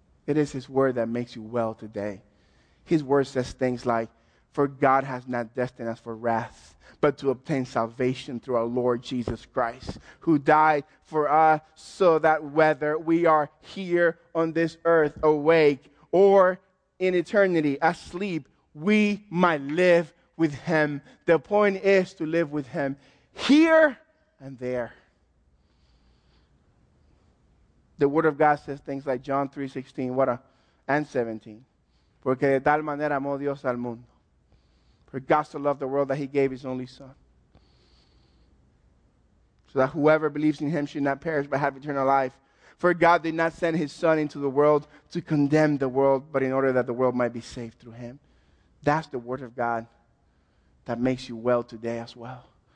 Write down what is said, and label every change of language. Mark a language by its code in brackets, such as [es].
[en] It is his word that makes you well today. His word says things like, for God has not destined us for wrath, but to obtain salvation through our Lord Jesus Christ, who died for us so that whether we are here on this earth awake or in eternity asleep, we might live with him. The point is to live with him here and there. The word of God says things like John 3:16 and 17. [es] Porque de tal manera amó Dios al mundo. [en] For God so loved the world that he gave his only son. So that whoever believes in him should not perish but have eternal life. For God did not send his son into the world to condemn the world, but in order that the world might be saved through him. That's the word of God that makes you well today as well.